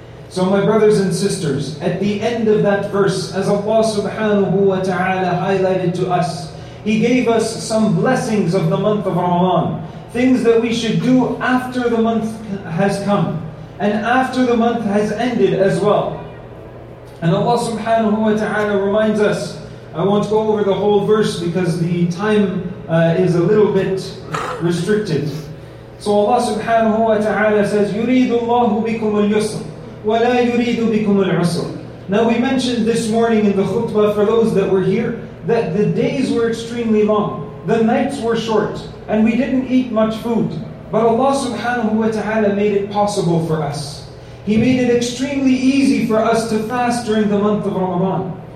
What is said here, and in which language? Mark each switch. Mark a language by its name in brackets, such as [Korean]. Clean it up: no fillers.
[English] So my brothers and sisters, at the end of that verse, as Allah subhanahu wa ta'ala highlighted to us, He gave us some blessings of the month of Ramadan, things that we should do after the month has come, and after the month has ended as well. And Allah subhanahu wa ta'ala reminds us, I won't go over the whole verse because the time is a little bit restricted. So Allah subhanahu wa ta'ala says, [Arabic] يُرِيدُ اللَّهُ بِكُمُ الْيُسْرَ وَلَا يُرِيدُ بِكُمُ الْعُسْرَ. [English] Now we mentioned this morning in the khutbah for those that were here, that the days were extremely long, the nights were short, and we didn't eat much food. But Allah subhanahu wa ta'ala made it possible for us. He made it extremely easy for us to fast during the month of Ramadan.